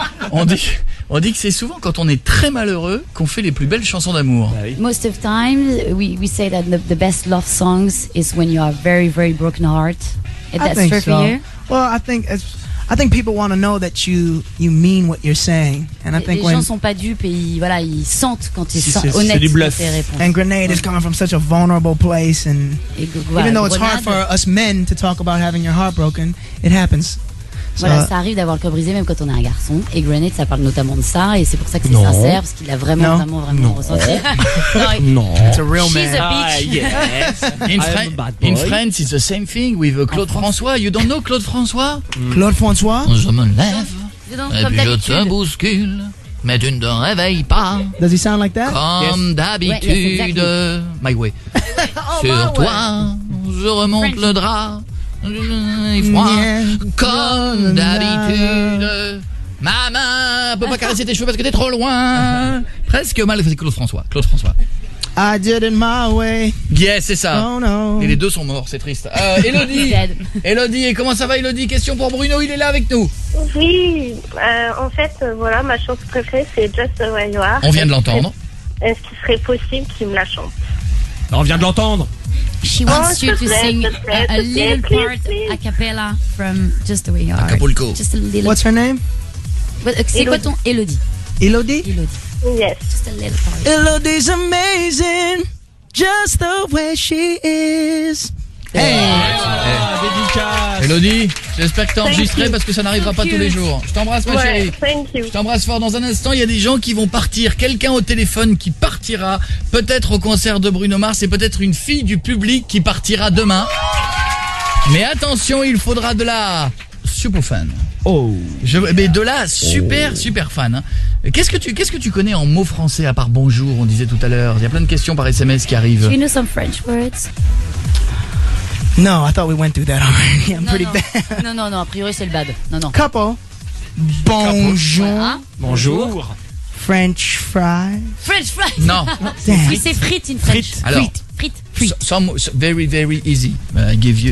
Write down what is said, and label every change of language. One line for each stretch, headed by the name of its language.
French: On dit que c'est souvent quand on est très malheureux qu'on fait les plus belles chansons d'amour.
English: Most of times we say that the best love songs is when you are very very broken heart. I think people want to know that you mean what you're saying, and I think
French: les gens sont pas dupes et ils sentent quand ils sont honnêtes. C'est du bluff.
English: And Grenade is coming from such a vulnerable place, and even though it's hard for us men to talk about having your heart broken, it happens.
French: Voilà, ça arrive d'avoir le cœur brisé même quand on est un garçon. Et Granite, ça parle notamment de ça, et c'est pour ça que c'est sincère, parce qu'il l'a vraiment, vraiment, vraiment ressenti. Non,
English: it's a real man. She's a bitch. In France, it's the same thing with Claude François. You don't know Claude François? Claude François?
French: Je me lève, et puis je te bouscule, mais tu ne te réveilles pas.
English: Does he sound like that?
French: Comme d'habitude,
English: my way.
French: Sur toi, je remonte le drap. Il froid, comme d'habitude. Maman, on peut pas caresser tes cheveux parce que t'es trop loin. Presque mal, c'est Claude François. Claude François.
English: I did it my way. Yes,
French: c'est ça.
English: Oh, no.
French: Et les deux sont morts, c'est triste. Elodie. Elodie, et comment ça va, Elodie? Question pour Bruno, il est là avec nous. Oui, en fait, voilà, ma chanson préférée, c'est Just the Way You Are. On vient de l'entendre. Est-ce qu'il serait possible qu'il me la chante? On vient de l'entendre.
English: She wants you to sing a little part a cappella from Just the Way You Are. Acapulco. Just a little. What's her name? What,
French: c'est Elodie. Quoi ton Elodie? Elodie? Elodie.
English: Yes. Just a little part. Elodie's amazing, just the way she is. Hey, oh, hey.
French: Elodie, j'espère que t'as enregistré parce que ça n'arrivera pas tous les jours. Je t'embrasse, ma chérie.
English: Thank you.
French: Je t'embrasse fort. Dans un instant, il y a des gens qui vont partir. Quelqu'un au téléphone qui partira peut-être au concert de Bruno Mars et peut-être une fille du public qui partira demain. Mais attention, il faudra de la super fan. Oh. Je, mais de la super super fan. Qu'est-ce que tu connais en mots français à part bonjour? On disait tout à l'heure, il y a plein de questions par SMS qui arrivent.
English: Do you know some French words? No, I thought we went through that already. I'm bad.
French: Non, a priori c'est le bad. Non.
English: Couple. Bonjour.
French: Bonjour.
English: French fries. French fries.
French: Non. C'est frites
English: in French.
French: Frites. Alors, frites.
English: Some very very easy. I give you.